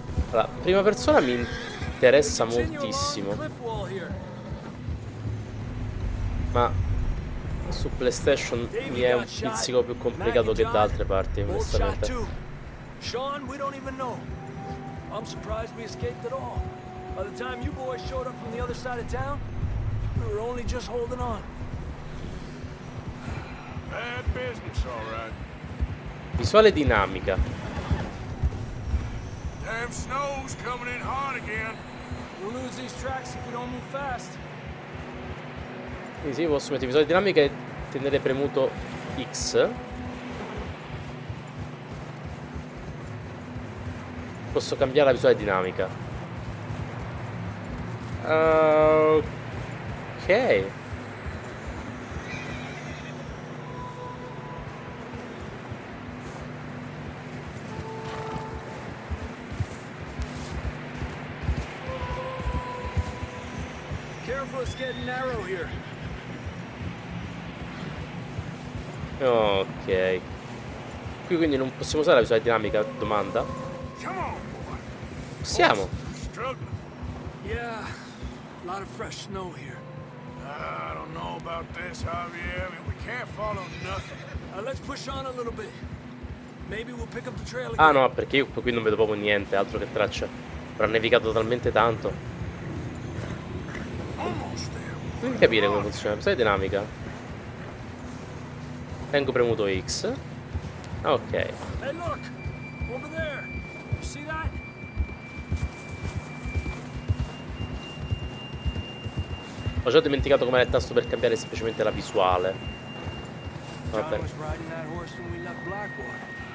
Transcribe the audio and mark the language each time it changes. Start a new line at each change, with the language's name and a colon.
Italian: Allora, prima persona mi interessa moltissimo. Ma su PlayStation mi è un pizzico più complicato che da altre parti, onestamente.
English: Sean, we don't even know. I'm surprised we escaped at all. By the time you boys showed up from the other side of town, we were only just holding on. Bad business, all right.
Italian: Visuale dinamica.
English: Damn snow's coming in hot again. We'll lose these tracks if we don't move fast.
Italian: Quindi sì, posso mettere visuale dinamica e tenere premuto X. Posso cambiare la visuale dinamica. Ok.
English: Careful, it's getting narrow here. Ok.
Italian: Qui quindi non possiamo usare la visuale dinamica, domanda. Siamo.
English: Yeah. A lot of fresh snow here. I don't know about this, Javier. I mean, we can't follow nothing. Let's push on a little bit. Maybe we'll pick up the trail again.
Italian: Ah no, perché io qui non vedo proprio niente, altro che traccia. Ha nevicato talmente tanto. Non capire come funziona, sai, dinamica. Tengo premuto X. Ok.
English: Hey, look. Over there. You see that?
Italian: Ho già dimenticato com'era il tasto per cambiare semplicemente la visuale. Vabbè.
English: John was riding that horse when we left Blackwater.